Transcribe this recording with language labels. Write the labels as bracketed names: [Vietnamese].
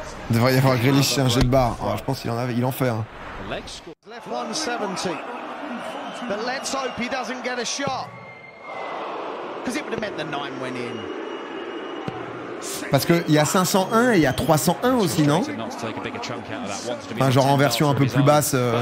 [French] Il devrait y avoir Grealish, un jet de barre. Oh, je pense qu'il en avait, il en fait. [English] But let's hope he doesn't get a shot. Because it would have meant the nine went in. [French] Parce qu'il y a 501 et il y a 301 aussi, non? Enfin, genre en version un peu plus basse.